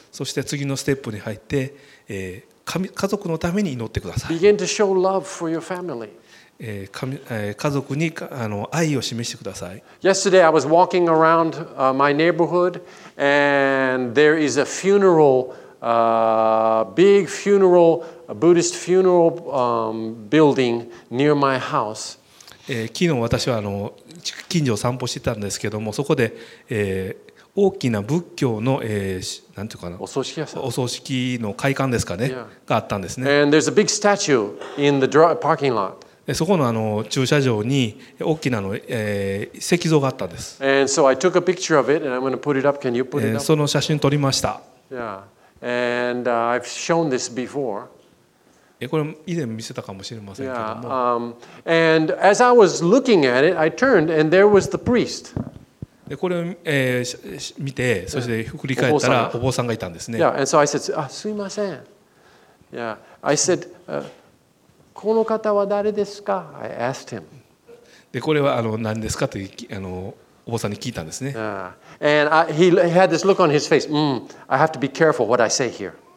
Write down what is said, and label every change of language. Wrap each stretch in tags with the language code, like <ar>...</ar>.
<ja>そして次のステップに入って、家族のために祈ってください。</ja> <en>Begin to show love for your family.</en> <ja>家族に愛を示してください。</ja> <en>Yesterday I was walking around my neighborhood and there is a funeral, big funeral, a Buddhist funeral building near my house.</en> <ja>昨日私は近所を散歩してたんですけども、そこで大きな仏教の、なんていうかな、お葬式の会館ですかね、があったんですね。</ja> <en>And there's a big statue in the parking lot.</en> <ja>そこの駐車場に大きな石像があったんです。</ja> <en>And so I took a picture of it and I'm going to put it up. Can you put it up?</en> <ja>その写真撮りました。</ja> <en>Yeah. And I've shown this before.</en> <ja>これ以前見せたかもしれませんけども。</ja> <en>Yeah. And as I was looking at it, I turned and there was the priest.</en> <ja>これを見て、そして振り返ったらお坊さんがいたんですね。</ja> <en>Yeah. And so I said, ah,</en> <ja>すいません。</ja> <en>Yeah. I said.</en> <ja>この方は誰ですか?</ja> <en>I asked him.</en> <ja>で、これは何ですかというお坊さんに聞いたんですね。</ja> <en>And he had this look on his face. I have to be careful what I say here.</en>